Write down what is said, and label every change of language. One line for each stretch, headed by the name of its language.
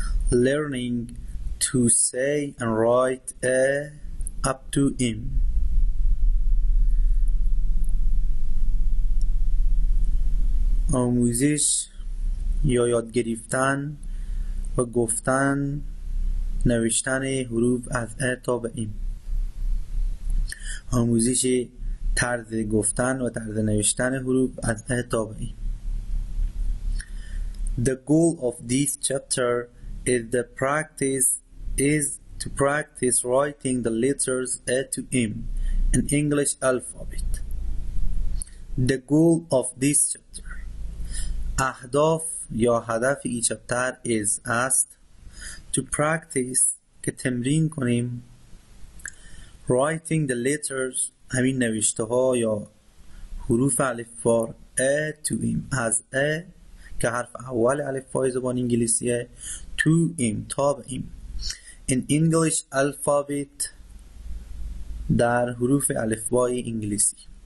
English: Learning to say and write A up to M.
Persian: آموزش یا یاد گرفتن و گفتن نوشتن حروف از ا تا به ایم. آموزش طرز گفتن و طرز نوشتن حروف از ا تا به ایم.
English: The goal of this chapter is the practice is to practice writing the letters A to M in English alphabet. The goal of this chapter.
Persian: اهداف یا هدف این چپتر است
English: to practice
Persian: که تمرین کنیم
English: writing the letters
Persian: همین نوشته ها یا حروف الف بار
English: A to M
Persian: از A که حرف اول الف بار زبان انگلیسیه
English: to M
Persian: تا به M
English: in English alphabet
Persian: در حروف الف بار انگلیسی.